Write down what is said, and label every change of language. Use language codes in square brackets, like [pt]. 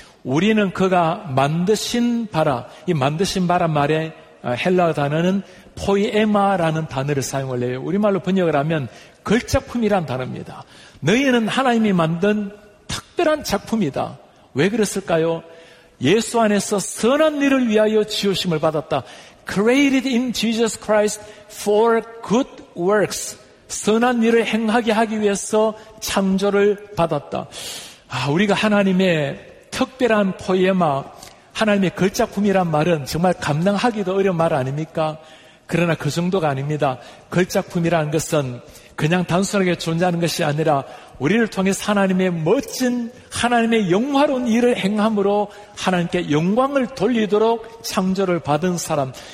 [ko] 우리는 그가 만드신 바라, 이 만드신 바라 말에 헬라어 단어는 포이에마라는 단어를 사용을 해요. 우리말로 번역을 하면 걸작품이란 단어입니다. 너희는 하나님이 만든 특별한 작품이다. 왜 그랬을까요? 예수 안에서 선한 일을 위하여 지으심을 받았다. [en] Created in Jesus Christ for good works. [ko] 선한 일을 행하게 하기 위해서 창조를 받았다. 아, 우리가 하나님의 특별한 포에마, 하나님의 걸작품이란 말은 정말 감당하기도 어려운 말 아닙니까? 그러나 그 정도가 아닙니다. 걸작품이라는 것은 그냥 단순하게 존재하는 것이 아니라 우리를 통해서 하나님의 멋진 하나님의 영화로운 일을 행함으로 하나님께 영광을 돌리도록 창조를 받은 사람.